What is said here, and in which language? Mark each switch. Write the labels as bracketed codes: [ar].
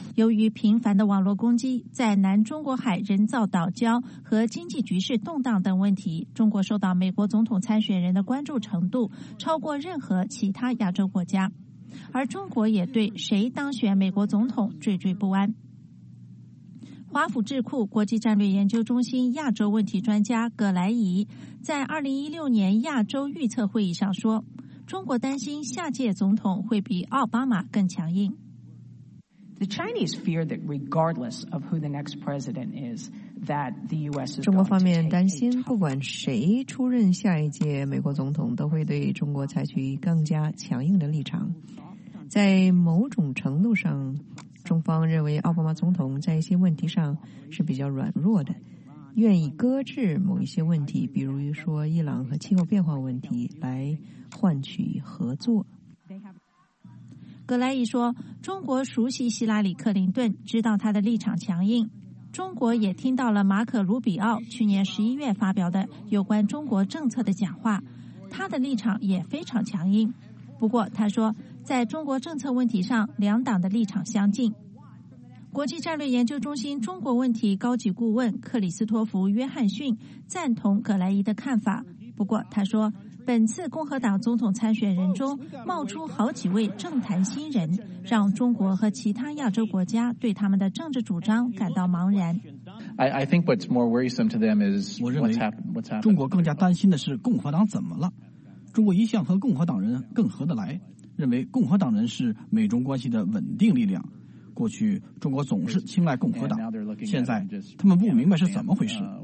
[zh] 由于频繁的网络攻击，在南中国海人造岛礁和经济局势动荡等问题，中国受到美国总统参选人的关注程度超过任何其他亚洲国家，而中国也对谁当选美国总统惴惴不安。华府智库国际战略研究中心亚洲问题专家葛莱仪在2016年亚洲预测会议上说，中国担心下届总统会比奥巴马更强硬。 [en] The Chinese fear that regardless of who the next president is, that the U.S. is [zh] 中国方面担心，不管谁出任下一届美国总统，都会对中国采取更加强硬的立场。在某种程度上，中方认为奥巴马总统在一些问题上是比较软弱的，愿意搁置某一些问题，比如说伊朗和气候变化问题，来换取合作。葛莱仪说，中国熟悉希拉里·克林顿，知道他的立场强硬。中国也听到了马可·卢比奥去年11月发表的有关中国政策的讲话，他的立场也非常强硬。不过他说，在中国政策问题上，两党的立场相近。国际战略研究中心中国问题高级顾问克里斯托弗·约翰逊赞同葛莱仪的看法，不过他说，本次共和党总统参选人中冒出好几位政坛新人，让中国和其他亚洲国家对他们的政治主张感到茫然。 [en] I think what's more worrisome to them is [zh] 我认为中国更加担心的是共和党怎么了。中国一向和共和党人更合得来，认为共和党人是美中关系的稳定力量。过去中国总是青睐共和党，现在他们不明白是怎么回事。